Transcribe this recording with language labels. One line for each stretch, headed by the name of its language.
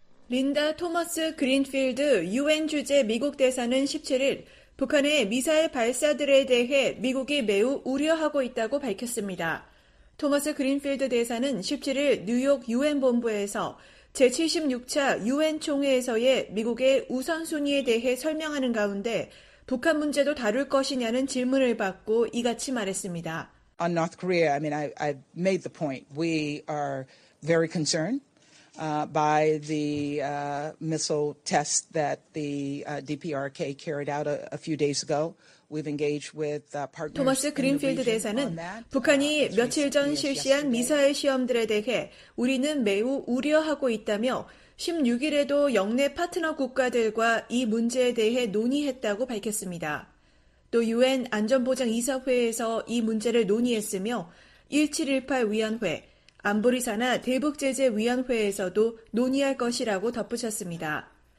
Korean: 린다 토머스 그린필드 유엔 주재 미국 대사는 17일 북한의 미사일 발사들에 대해 미국이 매우 우려하고 있다고 밝혔습니다. 토머스 그린필드 대사는 17일 뉴욕 유엔 본부에서 제76차 유엔 총회에서의 미국의 우선순위에 대해 설명하는 가운데 북한 문제도 다룰 것이냐는 질문을 받고 이같이 말했습니다.
English: On North Korea, I mean, I've made the point. We are very concerned. By the missile test that the DPRK carried out a few days ago. We've engaged with partners.
Korean: 토머스 그린필드 대사는 북한이 며칠 전 실시한 미사일 시험들에 대해 우리는 매우 우려하고 있다며 16일에도 영내 파트너 국가들과 이 문제에 대해 논의했다고 밝혔습니다. 또 UN 안전보장 이사회에서 이 문제를 논의했으며 1718 위원회 안보리사나 대북제재위원회에서도 논의할 것이라고 덧붙였습니다.